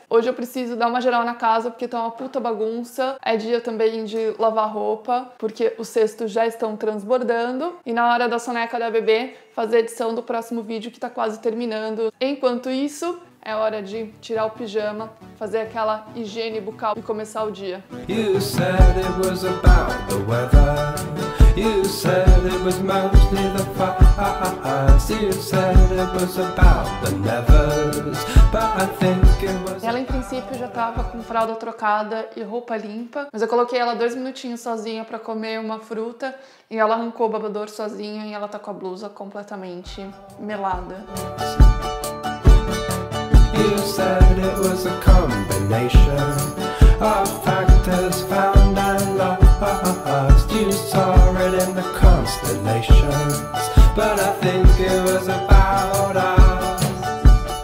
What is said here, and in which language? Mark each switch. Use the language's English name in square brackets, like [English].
[Portuguese] Hoje eu preciso dar uma geral na casa, porque tá uma puta bagunça. É dia também de lavar roupa, porque os cestos já estão transbordando. E na hora da soneca da bebê, fazer a edição do próximo vídeo, que tá quase terminando. Enquanto isso, é hora de tirar o pijama, fazer aquela higiene bucal e começar o dia. [English] You said it was about the weather. You said it was mostly the fuss. You said it was about the nevers. But I think it was... [Portuguese] Ela, em princípio, já tava com fralda trocada e roupa limpa, mas eu coloquei ela 2 minutinhos sozinha pra comer uma fruta e ela arrancou o babador sozinha e ela tá com a blusa completamente melada. [English] You said it was a combination of factors found and lost. You saw it in the constellations, but I think it was about us.